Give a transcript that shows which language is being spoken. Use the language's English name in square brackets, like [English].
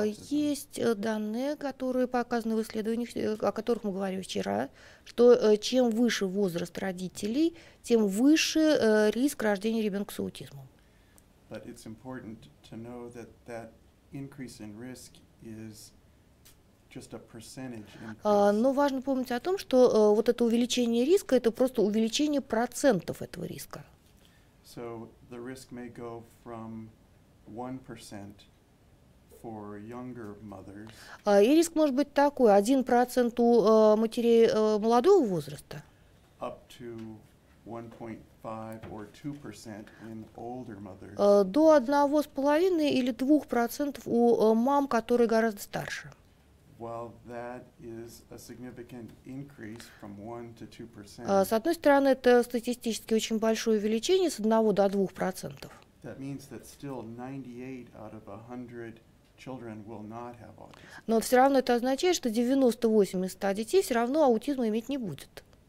[Russian] Есть данные, которые показаны в исследованиях, о которых мы говорили вчера, что чем выше возраст родителей, тем выше риск рождения ребенка с аутизмом. [English] But it's important to know that that increase in risk is just a percentage increase. [Russian] Но важно помнить о том, что вот это увеличение риска — это просто увеличение процентов этого риска. [English] So the risk may go from 1% for younger mothers. [Russian] И риск может быть такой: 1% у матерей молодого возраста. [English] Up to 1.5 or 2% in older mothers. [Russian] До 1,5 или 2% у мам, которые гораздо старше. [English] While that is a significant increase from 1 to 2%. [Russian] С одной стороны, это статистически очень большое увеличение с 1 до 2%. [English] That means that still 98 out of 100 children will not have autism. [Russian] Но все равно это означает, что 98 из 100 детей все равно аутизма иметь не будет.